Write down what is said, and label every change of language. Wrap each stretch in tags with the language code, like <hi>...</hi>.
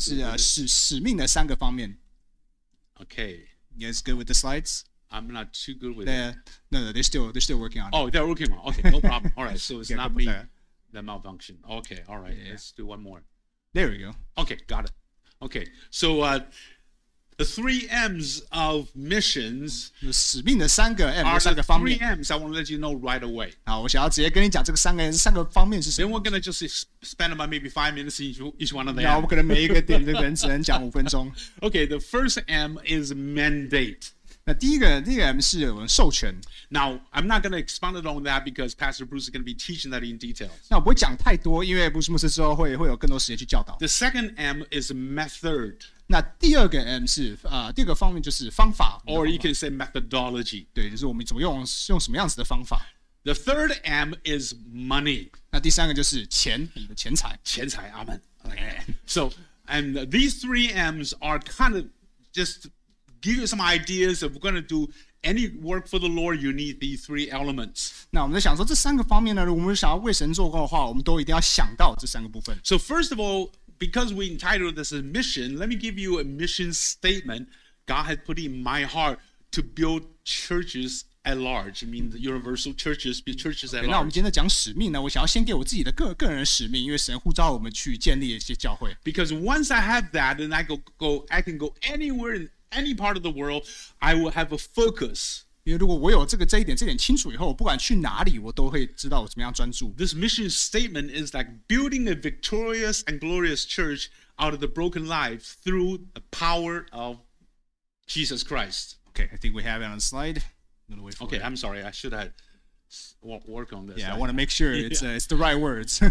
<zh>那这个信息的主题就是使命的三个方面。</zh> <en>Okay. You guys good with the slides? I'm not too good with it. No, they're still working on it. Oh, they're working on it. Okay, no problem. All right, so it's not me that malfunctioned. Okay, all right, let's do one more. There we go. Okay, got it. Okay, so the 3 M's of missions</en> <zh>使命的三个M，三个方面。</zh> <en>Are the 3 M's I want to let you know right away.</en> <zh>好，我想要直接跟你讲这个三个方面是什么。</zh> <en>Then we're going to just spend about maybe 5 minutes in each one of them.</en> <zh>那我可能每一个点的人只能讲5分钟。</zh> <en>Okay, the first M is mandate.</en> <zh>那第一个M是我们授权。</zh> <en>Now, I'm not going to expand on that because Pastor Bruce is going to be teaching that in detail.</en> <zh>那我不会讲太多，因为布什牧师之后会有更多时间去教导。</zh> <en>The second M is method.</en> <zh>那第二个M是第二个方面就是方法。</zh> <en>Or you can say methodology.</en> <zh>对，就是我们怎么用什么样子的方法。</zh> <en>The third M is money.</en> <zh>那第三个就是钱，你的钱财。钱财，阿们。</zh> <en>So, and these 3 M's are kind of just give you some ideas if we're going to do any work for the Lord, you need these 3 elements.</en> <zh>那我们在想说这三个方面呢，如果我们想要为神做工的话，我们都一定要想到这三个部分。</zh> <en>So first of all, because we entitled this a mission, let me give you a mission statement God has put in my heart to build churches at large, mean the universal churches, be churches at large.</en> <zh>Okay, 那我们今天在讲使命呢，我想要先给我自己的个人使命，因为神呼召我们去建立一些教会。</zh> <en>Because once I have that, and I can go anywhere in any part of the world, I will have a focus.</en> <zh>因为如果我有这点清楚以后，不管去哪里，我都会知道我怎么样专注。</zh> <en>This mission statement is like building a victorious and glorious church out of the broken life through the power of Jesus Christ. Okay, I think we have it on the slide. Okay, I'm sorry. I should have worked on this. Yeah, I want to make sure it's the right words.</en>